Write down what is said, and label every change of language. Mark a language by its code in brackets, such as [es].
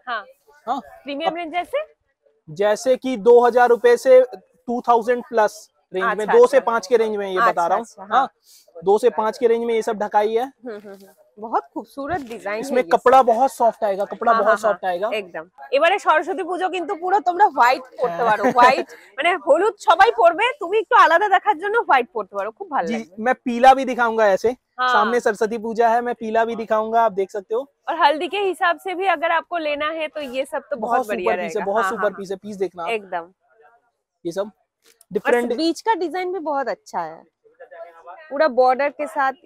[hi] Premium range जैसे जैसे की 2000 रुपए से 2000 प्लस रेंज में, 2 से 5 के रेंज में ये बता रहा हूँ। 2 से 5 के रेंज में ये सब ढकाई है। बहुत खूबसूरत डिजाइन, इसमें कपड़ा बहुत सॉफ्ट आएगा, कपड़ा बहुत सॉफ्ट आएगा एकदम। [bn] এবারে সরস্বতী পূজো কিন্তু পুরো তোমরা হোয়াইট পড়তে পারো, হোয়াইট মানে হলুদ সবাই পড়বে, তুমি একটু আলাদা দেখার জন্য হোয়াইট পড়তে পারো, খুব ভালো লাগবে। [hi] জি, मैं पीला भी दिखाऊंगा ऐसे। सामने सरस्वती पूजा है, मैं पीला भी दिखाऊंगा, आप देख सकते हो। और हल्दी के हिसाब से भी अगर आपको लेना है तो ये सब तो बहुत बढ़िया रहेगा, बहुत सुपर पीस है, पीस देखना एकदम। ये सब डिफरेंट, बीच का डिजाइन भी बहुत अच्छा है, पूरा बॉर्डर के साथ।